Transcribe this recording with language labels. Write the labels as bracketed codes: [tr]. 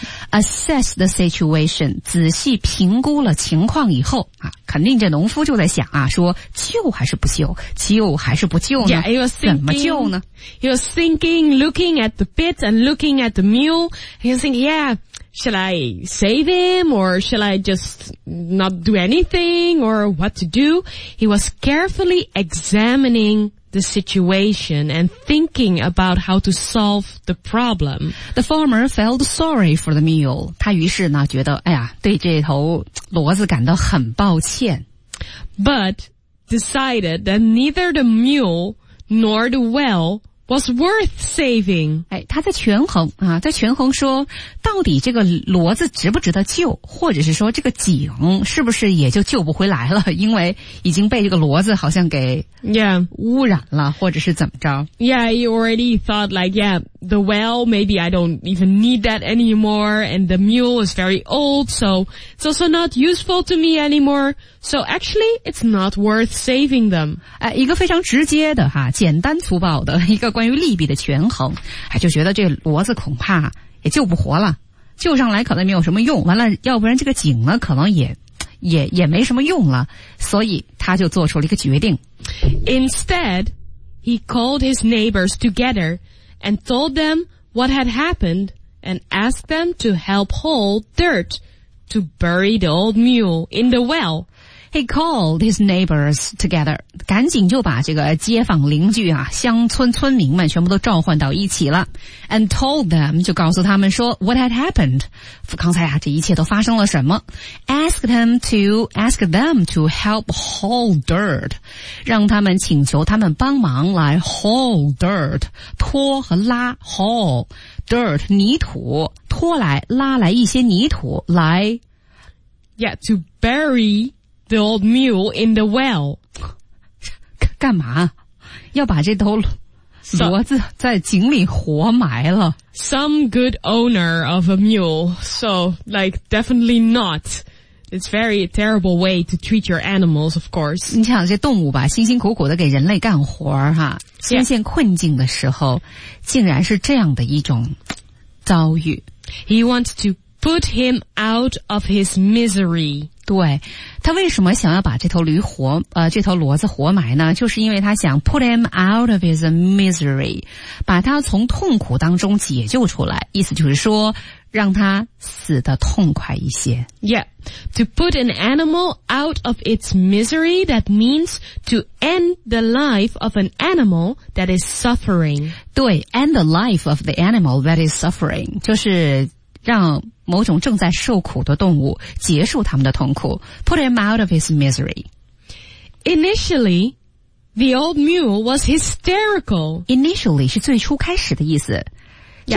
[en] Assess the situation, [zh] 仔细评估了情况以后啊，肯定这农夫就在想啊，说救还是不救，救还是不救呢？ [en] Yeah, he was thinking, [zh] 怎么救呢？ [en] He was thinking, looking at the pit and looking at the mule. He was thinking, yeah, shall I save him or shall I just not do anything or what to do? He was carefully examining the situation and thinking about how to solve the problem. The farmer felt sorry for the mule. [zh] 他于是呢觉得哎呀对这头骡子感到很抱歉。 [en] But decided that neither the mule nor the well was worth saving. [zh] 哎他在权衡啊在权衡说到底这个骡子值不值得救或者是说这个井是不是也就救不回来了因为已经被这个骡子好像给污染了、 [en] yeah. [zh] 或者是怎么着。 [en] Yeah, you already thought like, yeah, the well, maybe I don't even need that anymore, and the mule is very old, so it's also not useful to me anymore, so actually, it's not worth saving them. [zh] 哎一个非常直接的哈简单粗暴的一个关于利弊的权衡哎就觉得这骡子恐怕也救不活了救上来可能没有什么用完了要不然这个井呢可能也没什么用了所以他就做出了一个决定。 [en] Instead, he called his neighbors together and told them what had happened and asked them to help haul dirt to bury the old mule in the well. He called his neighbors together. [zh] 赶紧就把这个街坊邻居啊乡村村民们全部都召唤到一起了。 [en] And told them, [zh] 就告诉他们说 [en] what had happened. [zh] 刚才啊这一切都发生了什么。 [en] Ask them to help haul dirt. [zh] 让他们请求他们帮忙来 [en] haul dirt. [zh] 拖和拉 [en] haul dirt, [zh] 泥土拖来拉来一些泥土来 [en] Yeah, to bury the old mule in the well. [zh] 干嘛要把这头骡子在井里活埋了。 [en] Some good owner of a mule. So, like, definitely not. It's very terrible way to treat your animals, of course. [zh] 你想这动物吧辛辛苦苦的给人类干活哈深陷困境的时候、 [en] yeah. [zh] 竟然是这样的一种遭遇。 [en] He wants to put him out of his misery. [zh] 对他为什么想要把这头驴活这头骡子活埋呢就是因为他想 [en] put him out of his misery, [zh] 把他从痛苦当中解救出来意思就是说让他死得痛快一些。 [en] Yeah, to put an animal out of its misery, that means to end the life of an animal that is suffering. [zh] 对 [en] end the life of the animal that is suffering, [zh] 就是让某种正在受苦的动物结束他们的痛苦 [en] put him out of his misery. Initially, the old mule was hysterical. Initially [zh] 是最初开始的意思这、